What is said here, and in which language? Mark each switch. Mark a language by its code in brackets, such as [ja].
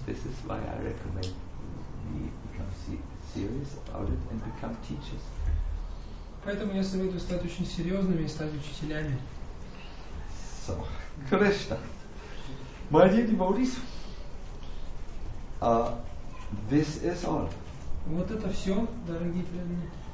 [en] This is why I recommend we become serious about it and become teachers. [ru] Поэтому я советую стать очень серьезными и стать учителями. [en] So, Krishna, my dear devotees, this is all. [ru] Вот это все, дорогие преданные.